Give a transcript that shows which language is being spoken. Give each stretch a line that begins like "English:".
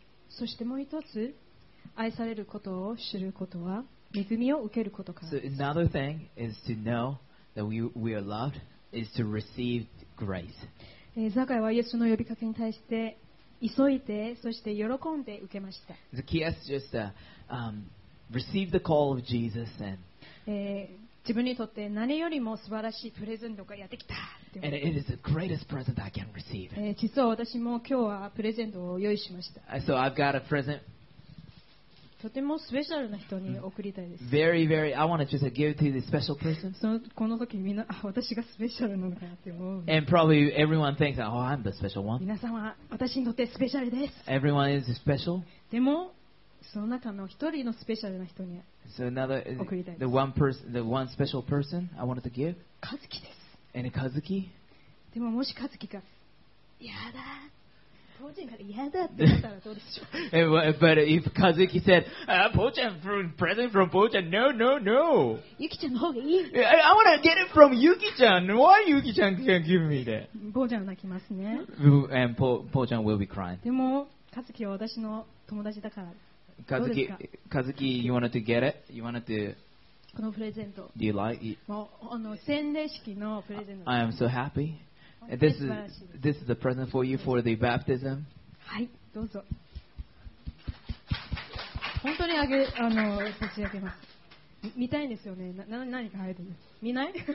Japanese: そしてもう一つ、愛されることを知ることは恵みを受けることからです。
English: So another thing is to know that we are loved is to receive grace.
Japanese: ザカイはイエスの呼びかけに対して急いでそして喜んで受けました。
English: Zacchaeus just received the call of Jesus and
Japanese: 自分にとって何よりも素晴らしいプレゼントがやってきた。
English: And it is the greatest present I can receive.
Japanese: 実は私も今日はプレゼントを用意しました。
English: So I've got a present.
Japanese: とてもスペシャルな人に贈りたいです。
English: Very, very. I want to just give to the special person.
Japanese: この時みんな私がスペシャルなのかなって思う。
English: And probably everyone thinks, oh, I'm the special one.
Japanese: 皆さんは私にとってスペシャルです。
English: Everyone is special.
Japanese: でもその中の一人のスペシャルな人に贈りたいです。
English: So、the one person, the one special person I wanted to give.
Japanese: カズキです。
English: And Kazuki?
Japanese: でももしカズキが、やだ、ポーチンからやだって言ったらどうでしょう。
English: But if Kazuki said, ポーチン、present from ポーチン、no, no, no.
Japanese: ユキちゃんの方がいい。
English: I want to get it from ユキちゃん。Why ユキちゃん can give me that?
Japanese: ポーチンは泣きますね。
English: And ポーチン will be crying.
Japanese: でもカズキは私の友達だから。
English: Kazuki, you wanted to get it? You wanted to.
Japanese: このプレゼント。
English: Do you like it?
Japanese: もうあの洗礼式のプレゼント。
English: I am so happy. This is the present for you for the baptism.
Japanese: はい、どうぞ。本当にあげあの差し上げます。見たいんですよね。な何か入ってる。見ない？